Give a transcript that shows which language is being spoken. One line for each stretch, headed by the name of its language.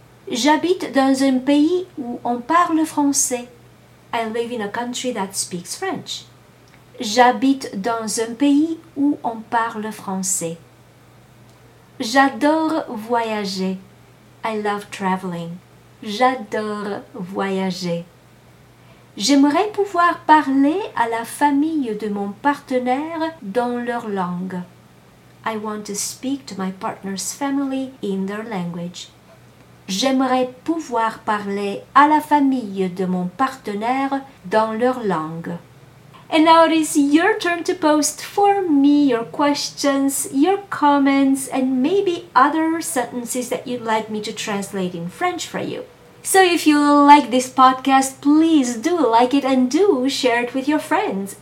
French: J'habite dans un pays où on parle français.
English: I live in a country that speaks French.
French: J'habite dans un pays où on parle français. J'adore voyager. I love traveling. J'adore voyager. J'aimerais pouvoir parler à la famille de mon partenaire dans leur langue.
English: I want to speak to my partner's family in their language.
French: J'aimerais pouvoir parler à la famille de mon partenaire dans leur langue.
English: And now it is your turn to post for me your questions, your comments, and maybe other sentences that you'd like me to translate in French for you. So if you like this podcast, please do like it and do share it with your friends.